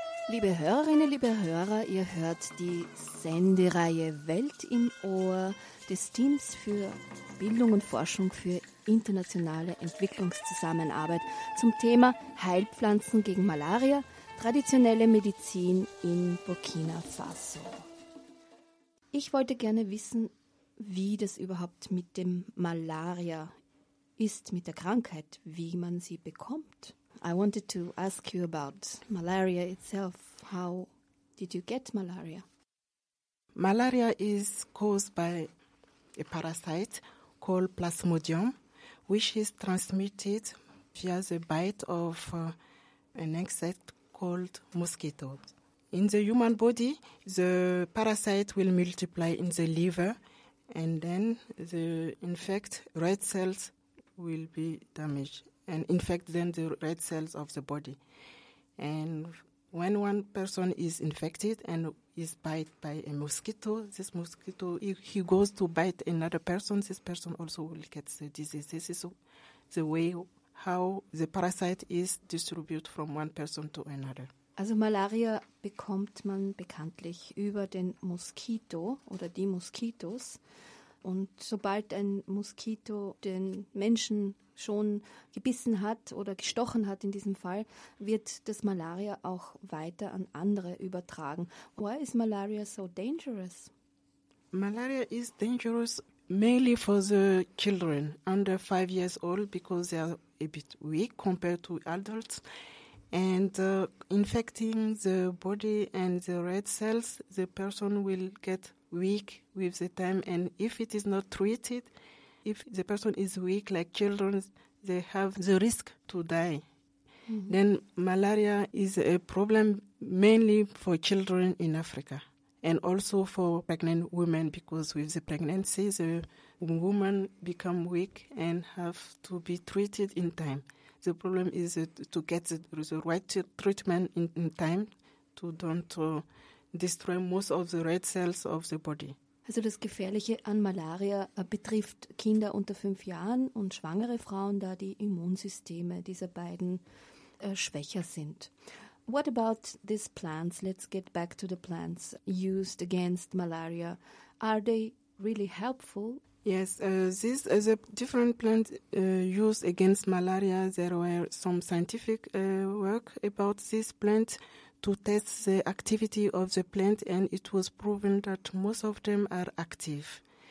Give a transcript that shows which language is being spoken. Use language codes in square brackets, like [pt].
[de] Liebe Hörerinnen, liebe Hörer, ihr hört die Sendereihe Welt im Ohr des Teams für Bildung und Forschung für internationale Entwicklungszusammenarbeit zum Thema Heilpflanzen gegen Malaria, traditionelle Medizin in Burkina Faso. Ich wollte gerne wissen, wie das überhaupt mit dem Malaria ist, mit der Krankheit, wie man sie bekommt. [en] I wanted to ask you about malaria itself. How did you get malaria? Malaria is caused by a parasite called Plasmodium, which is transmitted via the bite of an insect called mosquito. In the human body, the parasite will multiply in the liver, and then the infect red cells will be damaged and infect then the red cells of the body. And when one person is infected and is bit by a mosquito, this mosquito, he goes to bite another person, this person also will get the disease. This is the way how the parasite is distributed from one person to another. [de] Also Malaria bekommt man bekanntlich über den Moskito oder die Moskitos. Und sobald ein Moskito den Menschen schon gebissen hat oder gestochen hat in diesem Fall, wird das Malaria auch weiter an andere übertragen. [en] Why is malaria so dangerous? Malaria is dangerous mainly for the children under 5 years old because they are a bit weak compared to adults. And infecting the body and the red cells, the person will get weak with the time. And if it is not treated, if the person is weak, like children, they have the risk to die. Mm-hmm. Then malaria is a problem mainly for children in Africa and also for pregnant women, because with the pregnancy, the woman become weak and have to be treated in time. The problem is to get the right treatment in time to don't destroy most of the red cells of the body. [de] Also das Gefährliche an Malaria betrifft Kinder unter 5 Jahren und schwangere Frauen, da die Immunsysteme dieser beiden schwächer sind. [en] What about these plants? Let's get back to the plants used against malaria. Are they really helpful? Yes, these the different plants used against malaria. There were some scientific work about this plant to test the activity of the plant, and it was proven that most of them are active.